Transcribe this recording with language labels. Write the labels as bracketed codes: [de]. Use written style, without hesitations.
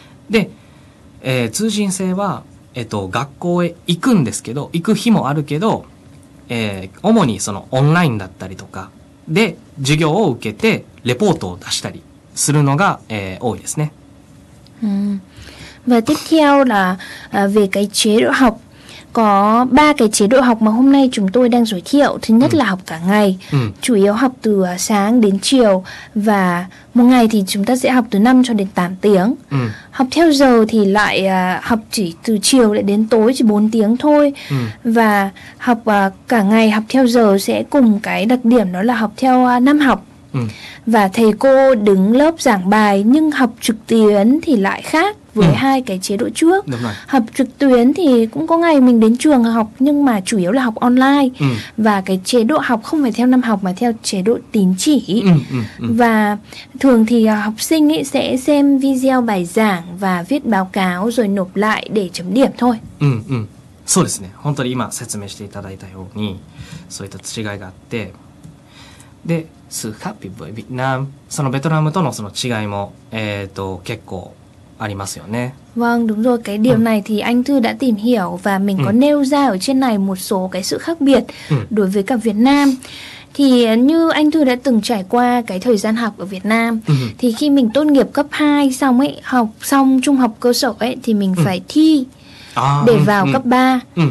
[ja] で、通信制は、学校へ行くんですけど、行く日もあるけど、主にそのオンラインだったりとかで授業を受けてレポートを出したりするのが、多いですね。 [vi] Và tiếp theo là về cái chế độ học. Có 3 cái chế độ học mà hôm nay chúng tôi đang giới thiệu. Thứ nhất là học cả ngày. Chủ yếu học từ sáng đến chiều. Và một ngày thì chúng ta sẽ học từ 5 cho đến 8 tiếng. Học theo giờ thì lại học chỉ từ chiều đến tối chỉ 4 tiếng thôi. Và học cả ngày, học theo giờ sẽ cùng cái đặc điểm đó là học theo năm học. Và thầy cô đứng lớp giảng bài, nhưng học trực tuyến thì lại khác với hai cái chế độ trước. Học trực tuyến thì cũng có ngày mình đến trường học, nhưng mà chủ yếu là học online. Và cái chế độ học không phải theo năm học mà theo chế độ tín chỉ. Và thường thì học sinh ấy sẽ xem video bài giảng và viết báo cáo rồi nộp lại để chấm điểm thôi. [ja] そうですね。本当に今説明していただいたようにそういった違いがあって、でスーハッピーボイビナム、そのベトナムとのその違いも、結構ありますよね。 [vi] Vâng, đúng rồi. Cái điều này thì anh Thư đã tìm hiểu và mình có nêu ra ở trên này một số cái sự khác biệt đối với cả Việt Nam. Thì như anh Thư đã từng trải qua cái thời gian học ở Việt Nam, thì khi mình tốt nghiệp cấp 2 xong ấy, học xong trung học cơ sở ấy, thì mình phải thi để vào cấp 3.